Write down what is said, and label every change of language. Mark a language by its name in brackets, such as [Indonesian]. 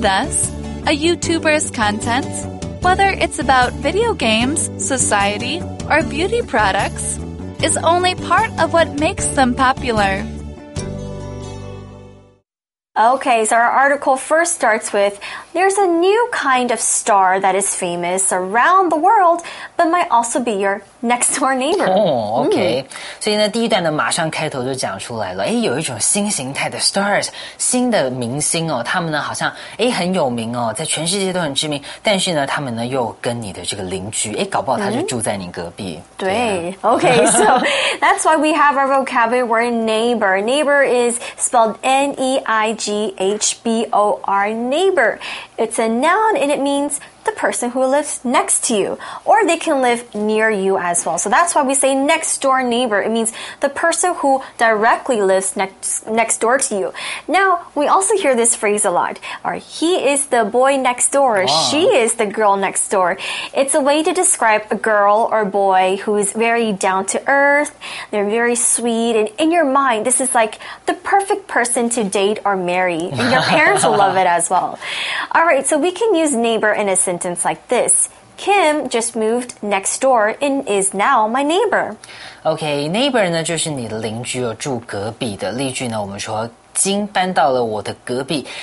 [English] Thus, a YouTuber's content, whether it's about video games, society, or beauty products, is only part of what makes them popular. Okay, so our article first starts with, there's a new kind of star that is famous around the world, but might also be your next door neighbor. Okay. [Chinese] 所以呢，第一段呢，马上开头就讲出来了。哎，有一种新形态的 stars， 新的明星哦，他们呢好像哎很有名哦，在全世界都很知名，但是呢，他们呢又跟你的这个邻居，哎，搞不好他就住在你隔壁。对。 [English] Okay, so that's why we have our vocabulary word neighbor. Neighbor is spelled N-E-I-G-H-B-O-R, neighbor. It's a noun and it means the person who lives next to you, or they can live near you as well. So that's why we say next door neighbor. It means the person who directly lives next door to you. Now, we also hear this phrase a lot. Or he is the boy next door. Wow. She is the girl next door. It's a way to describe a girl or boy who is very down to earth. They're very sweet. And in your mind, this is like the perfect person to date or marry. And your parents will love it as well. All right, so we can use neighbor in a sentence like this. Kim just moved next door and is now my neighbor. [Chinese] Okay, neighbor 呢就是你的邻居哦，住隔壁的。例句呢，我们说金搬到了我的隔壁。